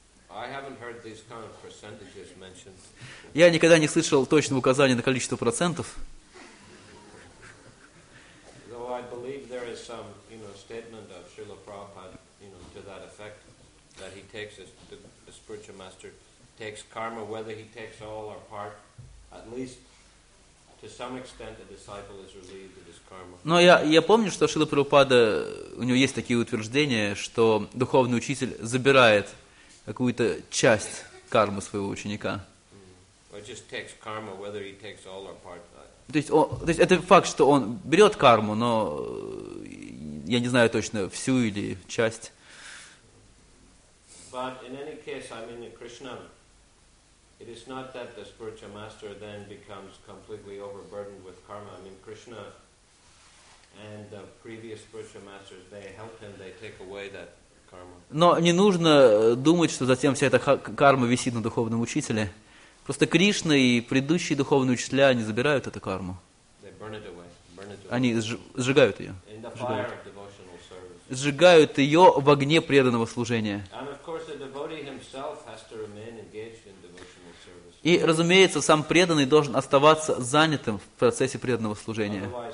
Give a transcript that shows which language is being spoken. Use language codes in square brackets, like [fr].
[en] I haven't heard these kind of percentages mentioned. [ru] Я никогда не слышал точного указания на количество процентов. [en] Though I believe there is some, you know, statement of Srila Prabhupada, you know, to that effect, that he takes, the spiritual master takes karma, whether he takes all or part. At least, to some extent, the disciple is relieved of his karma. [ru] Но я помню, что Шрила Прабхупада, у него есть такие утверждения, что духовный учитель забирает какую-то часть кармы своего ученика. [en] Or just takes karma, whether he takes all or part. [ru] То есть это факт, что он берет карму, но я не знаю точно, всю или часть. [en] But in any case, I mean, Krishna. It is not that the spiritual master then becomes completely overburdened with karma. I mean, Krishna and the previous spiritual masters, they help him, they take away that karma. [ru] Но не нужно думать, что затем вся эта карма висит на духовном учителе. Просто Кришна и предыдущие духовные учителя, они забирают эту карму. [en] They burn it away. Burn it away. [ru] Они сжигают ее. [en] In the fire of devotional service. [ru] Сжигают ее в огне преданного служения. [en] And of course, the devotee himself has to remain engaged. [ru] И, разумеется, сам преданный должен оставаться занятым в процессе преданного служения.